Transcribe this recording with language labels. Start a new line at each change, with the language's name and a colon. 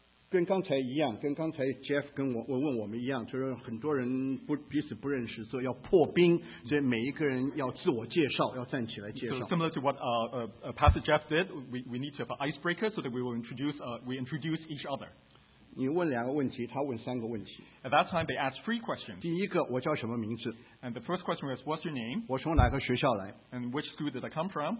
Chinese: 跟刚才 Jeff 跟我问我们一样，就是很多人不彼此不认识，所以要破冰，所以每一个人要自我介绍，要站起来介绍。
English: So similar to what Pastor Jeff did, we need to have an icebreaker so that we introduce each other.
Chinese: 你问两个问题，他问三个问题。
English: At that time, they asked three questions.
Chinese: 第一个，我叫什么名字？
English: And the first question was, what's your name?
Chinese: 我从哪个学校来？
English: And which school did I come from?